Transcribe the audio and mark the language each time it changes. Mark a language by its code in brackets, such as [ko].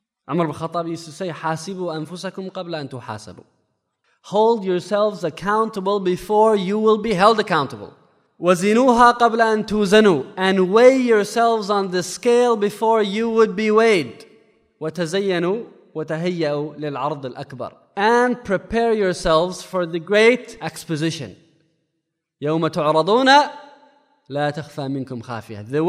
[en] Umar bin Khattab used to say, [ar] حاسبوا أنفسكم قبل أن تحاسبوا. [en] Hold yourselves accountable before you will be held accountable. [ar] وزنوها قبل أن توزنوا. [en] And weigh yourselves on the scale before you would be weighed. [ar] وتزينوا وتهيئوا للعرض الأكبر. [en] And prepare yourselves for the great exposition. [ar] يوم تعرضون لا تخفى منكم خافية.